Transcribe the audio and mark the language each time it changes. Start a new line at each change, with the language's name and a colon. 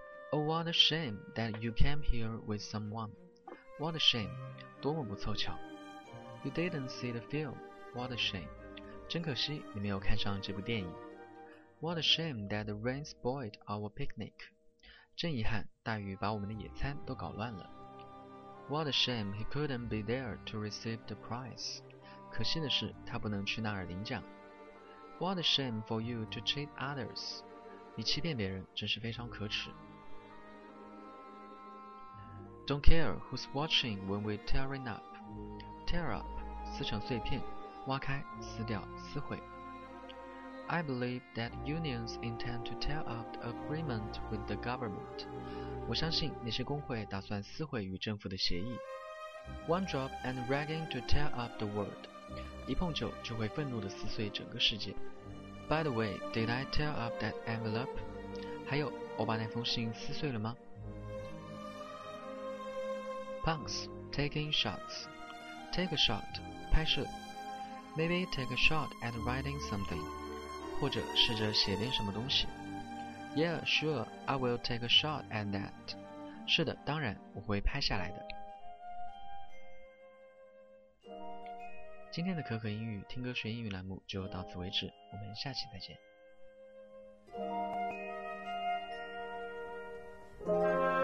English: Oh, what a shame that you came here with someone. What a shame,
Chinese: 多么不凑巧。
English: You didn't see the film, what a shame.
Chinese: 真可惜你没有看上这部电影。
English: What a shame that the rain spoiled our picnic.
Chinese: 真遗憾大雨把我们的野餐都搞乱了。
English: What a shame he couldn't be there to receive the prize.
Chinese: 可惜的是他不能去那儿领奖。
English: What a shame for you to cheat others.
Chinese: 你欺骗别人真是非常可耻。
English: Don't care who's watching when we tearing up.
Chinese: Tear up, 撕成碎片，挖开，撕掉，撕毁。
English: I believe that unions intend to tear up the agreement with the government.
Chinese: 我相信那些工会打算撕毁与政府的协议。
English: One drop and ragging to tear up the world.
Chinese: 一碰酒就会愤怒地撕碎整个世界。
English: By the way, did I tear up that envelope?
Chinese: 还有，我把那封信撕碎了吗？
English: Punks taking shots. Take a shot, 拍摄。 Maybe take a shot at writing something.
Chinese: 或者试着写点什么东西。
English: Yeah, sure, I will take a shot at that.
Chinese: 是的，当然，我会拍下来的。今天的可可英语听歌学英语栏目就到此为止，我们下期再见。